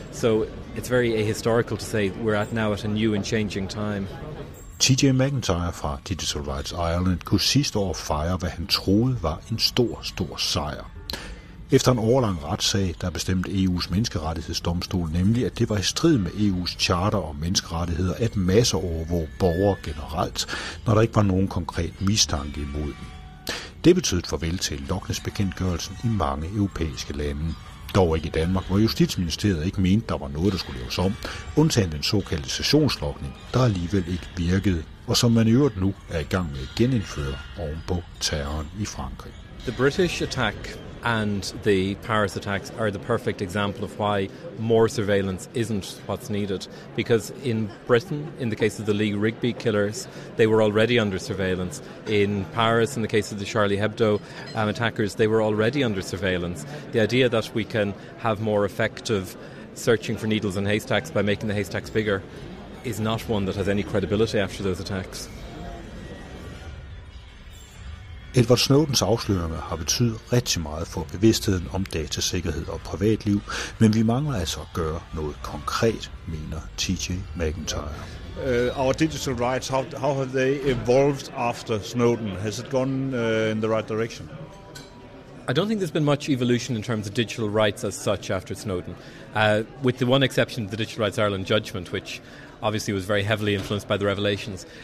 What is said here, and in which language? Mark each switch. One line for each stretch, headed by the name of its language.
English: So it's very ahistorical to say we're now at a new and changing time.
Danish: TJ McIntyre fra Digital Rights Ireland kunne sidste år fejre, hvad han troede var en stor, stor sejr. Efter en årlang retssag, der bestemte EU's menneskerettighedsdomstol nemlig, at det var i strid med EU's charter om menneskerettigheder at masseovervåge borgere generelt, når der ikke var nogen konkret mistanke imod dem. Det betød et farvel til Loch Ness-bekendtgørelsen i mange europæiske lande. Dog ikke i Danmark, hvor Justitsministeriet ikke mente, der var noget, der skulle laves om, undtagen den såkaldte sessionslogning, der alligevel ikke virkede, og som man i øvrigt nu er i gang med at genindføre ovenpå terroren i Frankrig.
English: The British attack and the Paris attacks are the perfect example of why more surveillance isn't what's needed. Because in Britain, in the case of the Lee Rigby killers, they were already under surveillance. In Paris, in the case of the Charlie Hebdo attackers, they were already under surveillance. The idea that we can have more effective searching for needles in haystacks by making the haystacks bigger is not one that has any credibility after those attacks.
Danish: Edward Snowdens afsløringer har betydet rigtig meget for bevidstheden om datasikkerhed og privatliv, men vi mangler altså at gøre noget konkret, mener TJ McIntyre.
English: Our digital rights, how have they evolved after Snowden? Has it gone in the right direction? I don't think there's been much evolution in terms of digital rights as such after Snowden, with the one exception of the Digital Rights Ireland judgment, which obviously was very heavily influenced by the revelations.